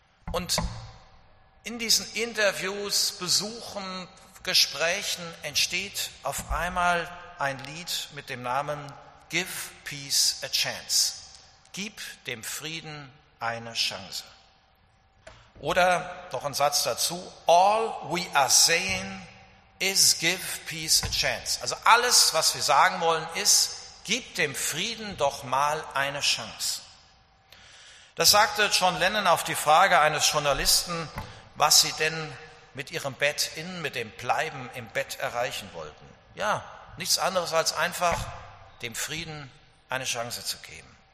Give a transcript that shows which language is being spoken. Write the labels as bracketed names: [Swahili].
[German] Und in diesen Interviews, Besuchen, Gesprächen entsteht auf einmal ein Lied mit dem Namen Give Peace a Chance. Gib dem Frieden eine Chance. Oder noch ein Satz dazu. [English] All we are saying is give peace a chance. [German] Also alles, was wir sagen wollen, ist, gib dem Frieden doch mal eine Chance. Das sagte John Lennon auf die Frage eines Journalisten, was sie denn mit ihrem Bett in, mit dem Bleiben im Bett erreichen wollten. Ja, nichts anderes als einfach dem Frieden eine Chance zu geben.